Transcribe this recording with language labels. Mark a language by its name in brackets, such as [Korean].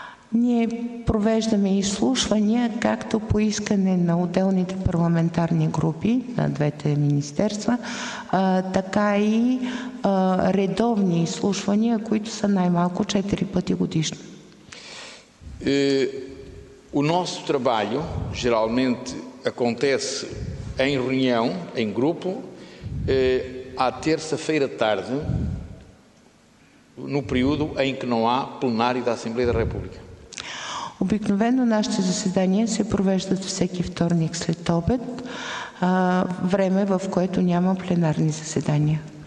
[Bulgarian] Ние провеждаме изслушвания, както по искане на отделните парламентарни групи на двете министерства, така и редовни изслушвания, които са най-малко 4 пъти годишно. [Portuguese] O nosso trabalho geralmente acontece em reunião, em grupo, à terça-feira tarde, no período em que não há plenário da Assembleia da República. [Bulgarian] Обикновено нашите заседания се провеждат всеки вторник след обед, време в което няма пленарни заседания.